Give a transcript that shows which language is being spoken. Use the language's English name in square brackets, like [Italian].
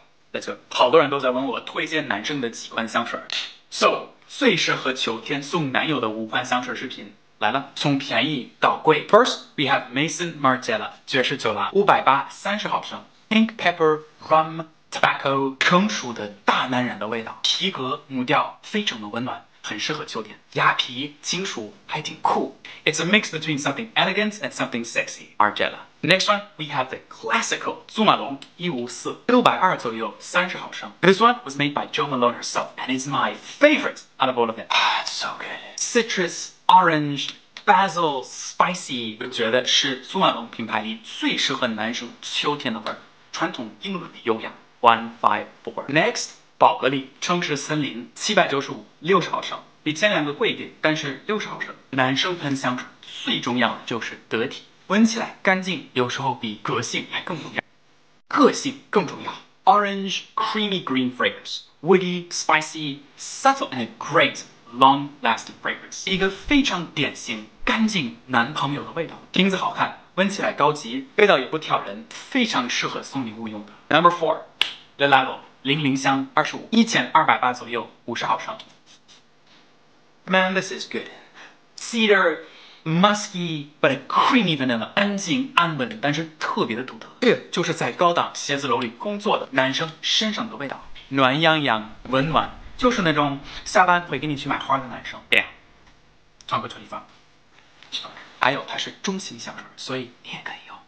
[Chinese] 在这，好多人都在问我推荐男生的几款香水。So， 最适合秋天送男友的五款香水视频来了，从便宜到贵。 [English] First， we have [Chinese] Mason Margiela 爵士酒啦，580/30毫升 ，Pink Pepper Rum Tobacco， 成熟的大男人的味道，皮革木调非常的温暖。很适合秋天，雅皮金属还挺酷。 [English] It's a mix between something elegant and something sexy. Argella. Next one, we have the classical 祖马龙154 620 [Chinese] 左右30毫升 [English] This one was made by Jo Malone herself, and it's my favorite out of all of them. Ah, it's so good. Citrus, orange, basil, spicy. [Chinese] 我觉得是祖马龙品牌里最适合男生秋天的味儿，传统英伦的优雅。 [English] 154 Next. [Chinese] 宝格丽城市森林795/60毫升比前两个贵一点，但是60毫升。男生喷香水最重要的就是得体，闻起来干净，有时候比个性还更重要，个性更重要。 [English] Orange creamy green fragrance, woody, spicy, subtle and great long lasting fragrance, [Chinese] 一个非常典型干净男朋友的味道，瓶子好看，闻起来高级，味道也不挑人，非常适合送礼物用的。 [English] Number 4 The Level00香25 1280 [Chinese] 左右50毫升 [English] Man, this is good. Cedar, musky, but a creamy vanilla. [Chinese] 安静安稳，但是特别的独特。这就是在高档写字楼里工作的男生身上的味道。暖洋洋，温暖，就是那种下班会给你去买花的男生。 [English] Yeah. [Chinese] 穿过这地方。还有它是中性香水，所以你也可以用。